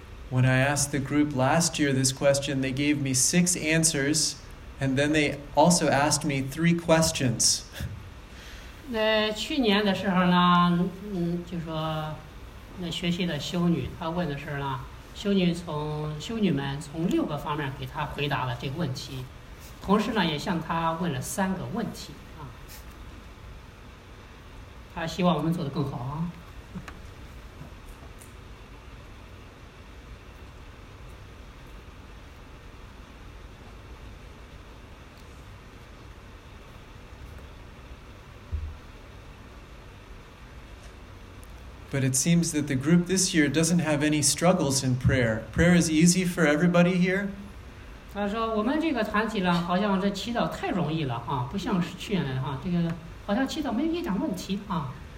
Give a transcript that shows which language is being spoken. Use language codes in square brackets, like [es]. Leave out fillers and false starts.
[en] When I asked the group last year this question, they gave me 6 answers, and then they also asked me 3 questions. [zh] 那去年的时候呢，就说那学习的修女，她问的是呢，修女们从六个方面给她回答了这个问题，同时呢，也向她问了三个问题啊。她希望我们做得更好啊。 [en] But it seems that the group this year doesn't have any struggles in prayer. Prayer is easy for everybody here. [zh] 他说我们这个团体呢，好像这祈祷太容易了啊，不像是去年的哈，这个好像祈祷没有一点问题啊。